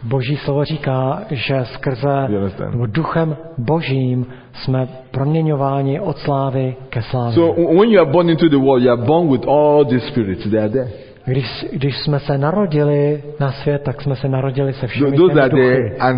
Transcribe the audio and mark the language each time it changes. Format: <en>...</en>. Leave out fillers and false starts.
<cs>Boží slovo říká, že skrze Duchem Božím jsme proměňováni od slávy ke slávě.</cs> <en>So when you are born into the world, you are born with all the spirits. They are there.</en> <cs>Když jsme se narodili na svět, tak jsme se narodili se všemi těmi duchy.</cs>